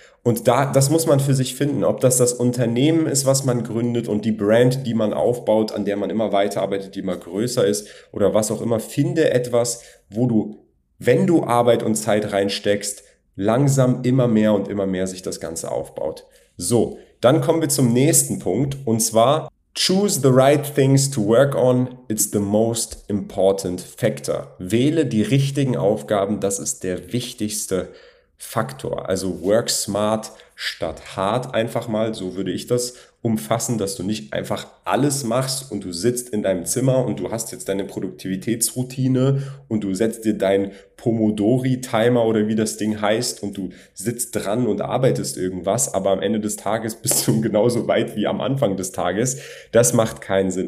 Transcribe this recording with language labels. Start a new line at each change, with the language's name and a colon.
German: Und da, das muss man für sich finden, ob das das Unternehmen ist, was man gründet und die Brand, die man aufbaut, an der man immer weiterarbeitet, die immer größer ist oder was auch immer. Finde etwas, wo du, wenn du Arbeit und Zeit reinsteckst, langsam immer mehr und immer mehr sich das Ganze aufbaut. So, dann kommen wir zum nächsten Punkt und zwar choose the right things to work on.
English: It's the most important factor.
German: Wähle die richtigen Aufgaben, das ist der wichtigste Faktor, also work smart statt hart einfach mal, so würde ich das umfassen, dass du nicht einfach alles machst und du sitzt in deinem Zimmer und du hast jetzt deine Produktivitätsroutine und du setzt dir deinen Pomodori-Timer oder wie das Ding heißt und du sitzt dran und arbeitest irgendwas, aber am Ende des Tages bist du genauso weit wie am Anfang des Tages. Das macht keinen Sinn.